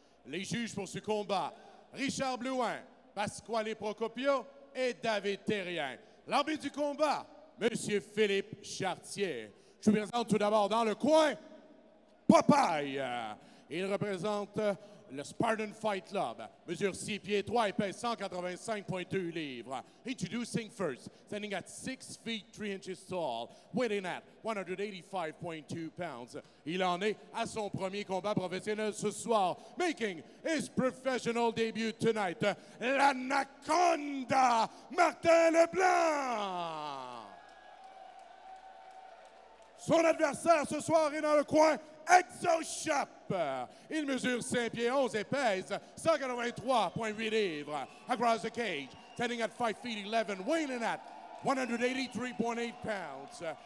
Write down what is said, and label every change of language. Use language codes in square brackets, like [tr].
[fr] Les juges pour ce combat, Richard Blouin, Pasquale Procopio et David Terrien. L'arbitre du combat, M. Philippe Chartier. Je vous présente tout d'abord dans le coin, Popeye. Il représente le Spartan Fight Club, mesure 6 pieds 3 et pèse 185.2 livres. [en] Introducing first, standing at 6 feet 3 inches tall, weighing at 185.2 pounds. [fr] Il en est à son premier combat professionnel ce soir, [en] making his professional debut tonight, [fr] l'Anaconda, Martin Leblanc. Son adversaire ce soir est dans le coin, Exoshop. Il mesure 5 pieds 11 et pèse 183.8 livres. [en] Across the cage, standing at 5 feet 11, weighing at 183.8 pounds.